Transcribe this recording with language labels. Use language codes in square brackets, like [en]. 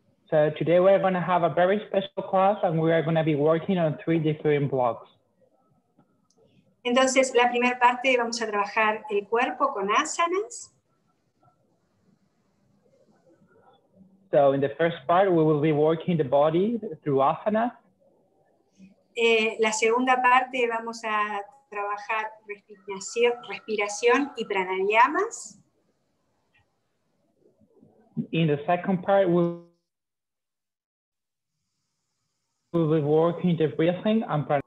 [en] So today we're going to have a very special class and we are going to be working on three different blocks. [es] Entonces, la primera parte vamos a trabajar el cuerpo con asanas. [en] So in the first part we will be working the body through asanas. [es] La segunda parte vamos a trabajar respiración y pranayamas. [en] In the second part we'll be working the breathing and